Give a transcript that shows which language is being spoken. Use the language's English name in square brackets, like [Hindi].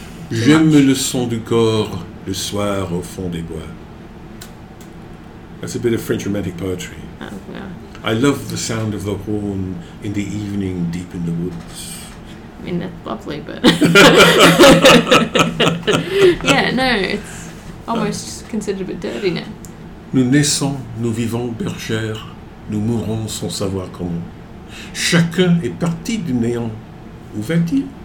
[French] J'aime le son du corps le soir au fond des bois. [English] That's a bit of French romantic poetry. Oh, yeah. I love the sound of the horn in the evening deep in the woods. I mean, that's lovely, but... Yeah, no, it's almost considered a bit dirty now. [French] Nous naissons, nous vivons, bergère, nous mourons sans savoir comment. Chacun est parti du néant. Où va-t-il?